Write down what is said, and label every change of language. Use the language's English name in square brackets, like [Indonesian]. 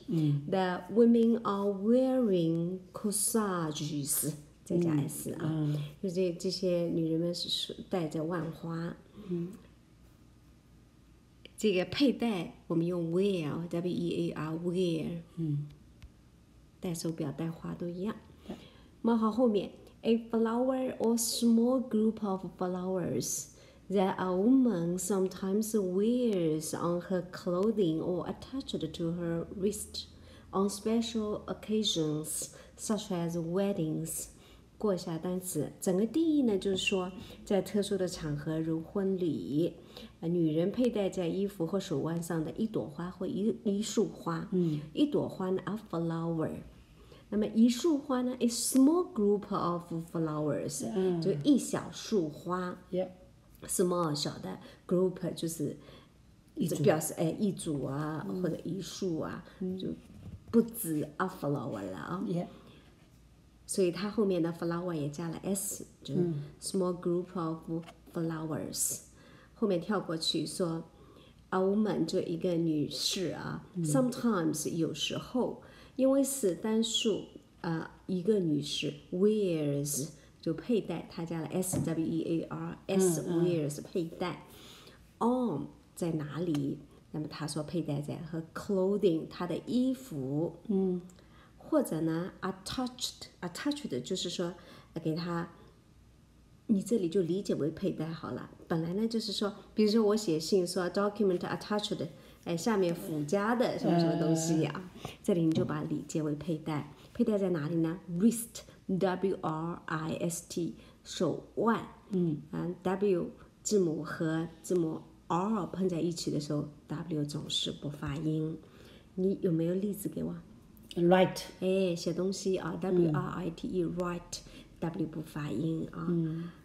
[English] The women are wearing corsages。 [Chinese] 再加 s 啊，就这些女人们是戴着腕花。这个佩戴我们用 wear，wear。戴手表、戴花都一样。冒号后面 [English] ，a flower or small group of flowers that a woman sometimes wears on her clothing or attached to her wrist on special occasions such as weddings。 [Chinese] 过一下单词，整个定义呢，就是说在特殊的场合，如婚礼，女人佩戴在衣服或手腕上的一朵花或 一束花、一朵花呢 [English] a flower， [Chinese] 那么一束花呢 [English] a small group of flowers， [Chinese] 就一小束花，small 小的 group 就是表示一组啊，或者一束啊，就不止 a flower 了啊。所以它后面的 flower 也加了 s， 就是 [English] small group of flowers。 [Chinese] 后面跳过去说 ， [English] a woman [Chinese] 就一个女士啊。 Sometimes 有时候，因为是单数，一个女士 wears 就佩戴，它加了 s w e a r s wears 佩戴。 On 在哪里？那么她说佩戴在和 clothing 她的衣服。或者呢 attached 就是说给他，你这里就理解为佩戴好了。本来呢就是说，比如说我写信说 [English] document attached， [Chinese] 下面附加的什么什么东西啊，这里你就把理解为佩戴。佩戴在哪里呢？ [English] wrist w-r-i-s-t 手腕。 [Chinese] w 字母和字母 r 碰在一起的时候 w 总是不发音。你有没有例子给我？ [English] Right， [Chinese] 写东西啊 ，W-R-I-T-E， right， W 不发音啊。